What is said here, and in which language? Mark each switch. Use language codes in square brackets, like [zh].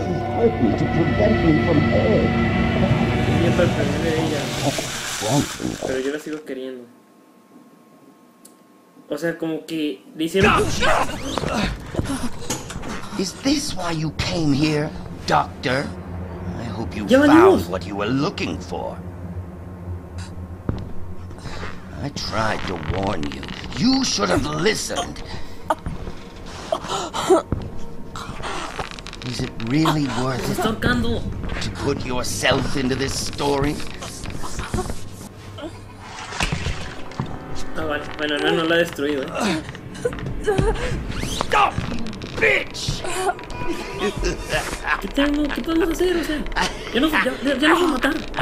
[en] Help me to prevent me from her. [es] Quería perderme de ella. Pero yo la sigo queriendo. O sea, como que le hicieron. [en] Is this why you came here, doctor? I hope you [es] ya [en] found what you were looking for. I tried to warn you. You should have listened. Is it really worth it to put yourself into this story? [es] Oh, vale. Bueno, no la ha destruido. [en] Stop, bitch! [es] ¿Qué podemos hacer? O sea, ya nos va a matar.